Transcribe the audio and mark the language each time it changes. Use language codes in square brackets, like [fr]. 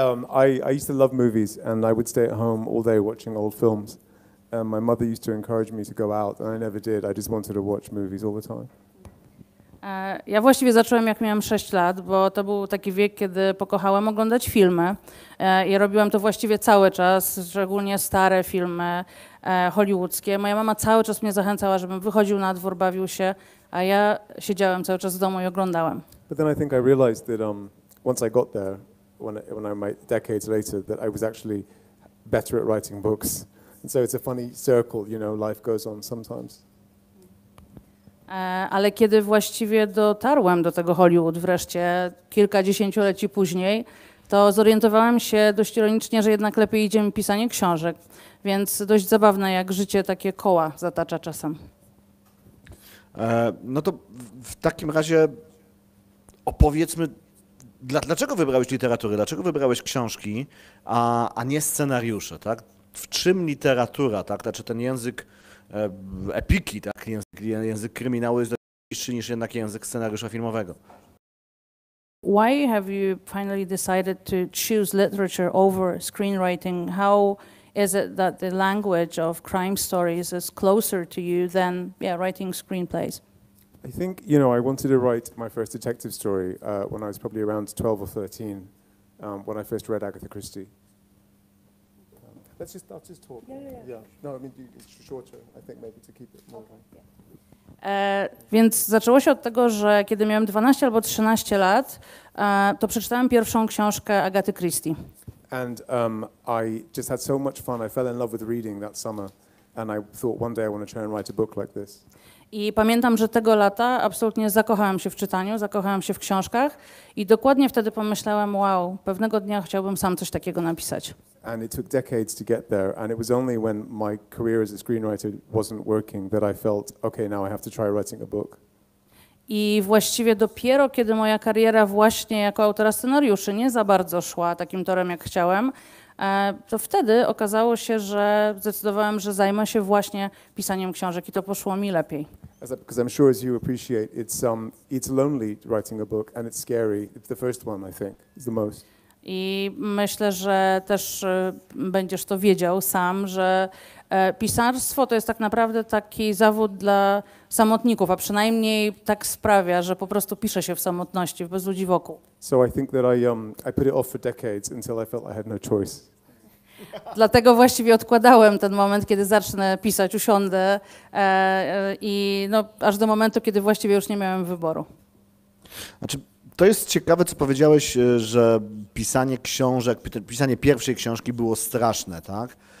[en] I used to love movies, and I would stay at home all day watching old films. My mother used to encourage me to go out, and I never did. I just wanted to watch movies all the time. [pl] Ja właściwie zacząłem, jak miałem 6 lat, bo to był taki wiek, kiedy pokochałem oglądać filmy i robiłem to właściwie cały czas, szczególnie stare filmy hollywoodzkie. Moja mama cały czas mnie zachęcała, żebym wychodził na dwór, bawił się, a ja siedziałem cały czas w domu i oglądałem. [en] But then I think I realized that once I got there, when I made decades later, that I was actually better at writing books. And so it's a funny circle, you know, life goes on sometimes. [pl] Ale kiedy właściwie dotarłem do tego Hollywood wreszcie, kilkadziesięcioleci później, to zorientowałem się dość ironicznie, że jednak lepiej idzie mi pisanie książek. Więc dość zabawne, jak życie takie koła zatacza czasem. No to w takim razie opowiedzmy, dlaczego wybrałeś literaturę, dlaczego wybrałeś książki, a nie scenariusze, tak? w czym literatura, tak, znaczy ten język epiki, tak, język kryminału jest bliższy niż jednak język scenariusza filmowego. [en] Why have you finally decided to choose literature over screenwriting? How is it that the language of crime stories is closer to you than, yeah, writing screenplays? I think, you know, I wanted to write my first detective story when I was probably around 12 or 13, when I first read Agatha Christie. Let's just talk. Yeah. No, I mean, it's shorter, I think, maybe to keep it more. Okay. Yeah. [pl] Więc zaczęło się od tego, że kiedy miałem 12 albo 13 lat, to przeczytałem pierwszą książkę Agaty Christie. [en] And I just had so much fun. I fell in love with reading that summer and I thought one day I want to try and write a book like this. [pl] I pamiętam, że tego lata absolutnie zakochałem się w czytaniu, zakochałem się w książkach i dokładnie wtedy pomyślałem, wow, pewnego dnia chciałbym sam coś takiego napisać. [en] And it took decades to get there, and it was only when my career as a screenwriter wasn't working that I felt, okay, now I have to try writing a book. [pl] I właściwie dopiero kiedy moja kariera właśnie jako autora scenariuszy nie za bardzo szła takim torem, jak chciałem, to wtedy okazało się, że zdecydowałem, że zajmę się właśnie pisaniem książek i to poszło mi lepiej. [en] Because I'm sure, as you appreciate, it's lonely writing a book, and it's scary. It's the first one, I think, is the most. [pl] I myślę, że też będziesz to wiedział sam, że pisarstwo to jest tak naprawdę taki zawód dla samotników, a przynajmniej tak sprawia, że po prostu pisze się w samotności, bez ludzi wokół. [en] So I think that I put it off for decades until I felt I had no choice. [pl] Dlatego właściwie odkładałem ten moment, kiedy zacznę pisać, usiądę i no, aż do momentu, kiedy właściwie już nie miałem wyboru. Znaczy... To jest ciekawe, co powiedziałeś, że pisanie książek, pisanie pierwszej książki było straszne, tak?